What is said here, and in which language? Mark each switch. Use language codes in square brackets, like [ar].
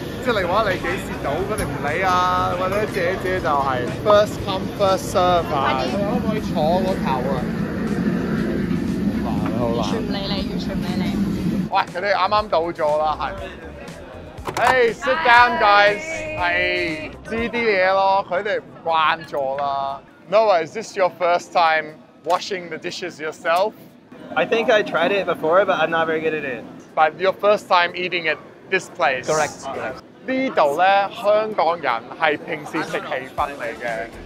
[yue] 即係你話你幾時到，佢哋唔理啊，或者姐姐就係 [en] first come first serve [yue] 啊，可唔可以坐個頭啊？好難，完全唔理你，完全唔理你。喂，佢哋啱啱到咗啦，係。 [en] Hey， sit down， guys。 [yue] 係，知啲嘢咯，佢哋唔慣咗啦。 [en] No， is this your first time washing the dishes yourself？ I think I tried it before， but I'm not very good at it。 But your first time eating at this place？ Correct， correct。 [yue] 呢度咧，香港人係平時食氣氛嚟嘅。